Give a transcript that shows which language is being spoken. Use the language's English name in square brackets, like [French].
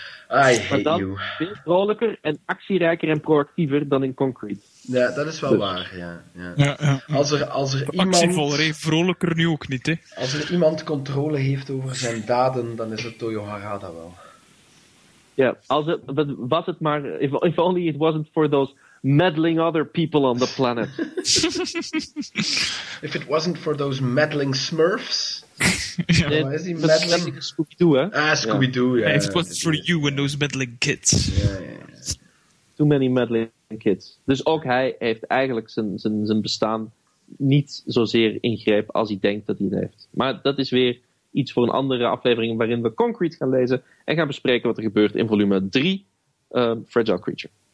[English] I hate you. [Dutch] Veel vrolijker en actierijker en proactiever dan in Concrete. Ja, dat is wel waar. Ja. Als er actievoller, iemand, vrolijker nu ook niet. Hè. Als er iemand controle heeft over zijn daden, dan is het Toyo Harada wel. Ja, was het maar. [English] If only it wasn't for those meddling other people on the planet. If it wasn't for those meddling Smurfs. Scooby-Doo, it was for you and those meddling kids. Yeah. Too many meddling kids. [Dutch] Dus ook hij heeft eigenlijk zijn bestaan niet zozeer ingreep als hij denkt dat hij het heeft. Maar dat is weer iets voor een andere aflevering waarin we Concrete gaan lezen en gaan bespreken wat er gebeurt in volume 3, Fragile Creature.